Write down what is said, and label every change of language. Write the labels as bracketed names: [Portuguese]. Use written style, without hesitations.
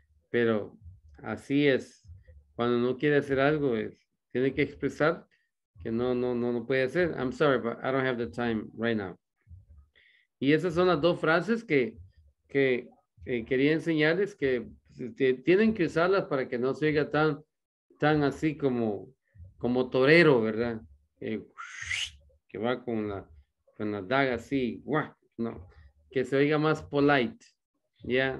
[Spanish] Pero así es, cuando no quiere hacer algo, tiene que expresar que no puede hacer. [English] I'm sorry, but I don't have the time right now. [Spanish] Y esas son las dos frases que quería enseñarles, que tienen que usarlas para que no se oiga tan así como torero, ¿verdad? Que va con la... con la daga así, guau, no, que se oiga más polite, ya.